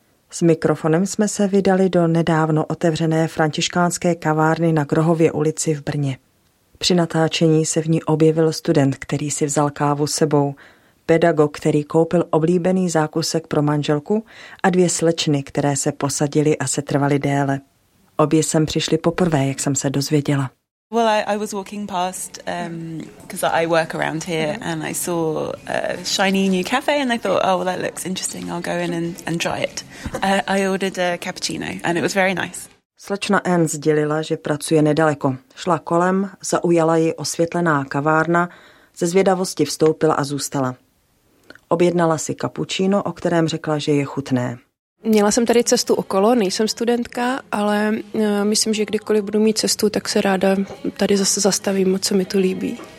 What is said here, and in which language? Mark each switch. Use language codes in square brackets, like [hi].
[cs] S mikrofonem jsme se vydali do nedávno otevřené františkánské kavárny na Grohově ulici v Brně. Při natáčení se v ní objevil student, který si vzal kávu sebou, pedagog, který koupil oblíbený zákusek pro manželku a dvě slečny, které se posadily a setrvaly déle. Obě sem přišly poprvé, jak jsem se dozvěděla. [en] Well, I was walking past because I work around here, and I saw a shiny new cafe, and I thought, oh, that looks interesting. I'll go in and try it. I ordered a cappuccino, and it was very nice. [cs] Slečna Anne sdělila, že pracuje nedaleko. Šla kolem, zaujala ji osvětlená kavárna, ze zvědavosti vstoupila a zůstala. Objednala si cappuccino, o kterém řekla, že je chutné. Měla jsem tady cestu okolo, nejsem studentka, ale myslím, že kdykoliv budu mít cestu, tak se ráda tady zase zastavím, co mi tu líbí.